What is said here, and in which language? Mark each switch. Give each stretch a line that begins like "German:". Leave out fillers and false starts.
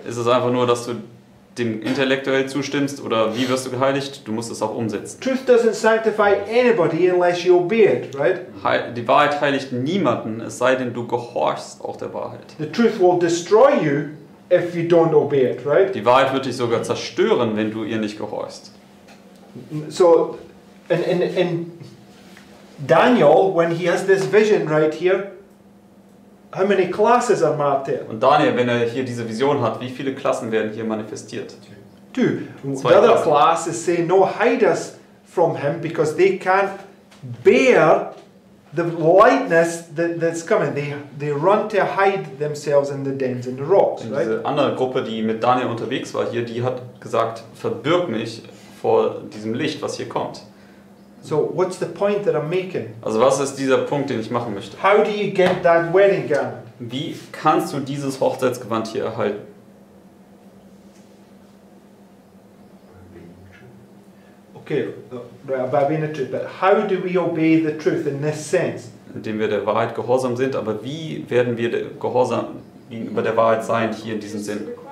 German: Ist es einfach nur, dass du dem intellektuell zustimmst, oder wie wirst du geheiligt? Du musst es auch umsetzen.
English: Truth doesn't sanctify anybody unless you obey it, right?
German: Die Wahrheit heiligt niemanden, es sei denn, du gehorchst auch der Wahrheit.
English: The truth will destroy you if you don't obey it, right?
German: Die Wahrheit wird dich sogar zerstören, wenn du ihr nicht gehorchst.
English: So, in Daniel, when he has this vision right here, how many classes are marked there?
German: Und Daniel, wenn er hier diese Vision hat, wie viele Klassen werden hier manifestiert?
English: Two.
German: Zwei
English: the other Klassen. Classes say, no, hide us from him, because they can't bear the lightness that's coming. They run to hide themselves in the dens and the rocks,
German: und
English: right?
German: Diese andere Gruppe, die mit Daniel unterwegs war hier, die hat gesagt, verbirg mich vor diesem Licht, was hier kommt.
English: So what's the point that I'm making?
German: Also was ist dieser Punkt, den ich machen möchte?
English: How do you get that wedding gown?
German: Wie kannst du dieses Hochzeitsgewand hier erhalten?
English: Okay, by being the truth, but how do we obey the truth in this sense?
German: Indem wir der Wahrheit gehorsam sind, aber wie werden wir gehorsam gegenüber der Wahrheit sein hier in diesem Sinn?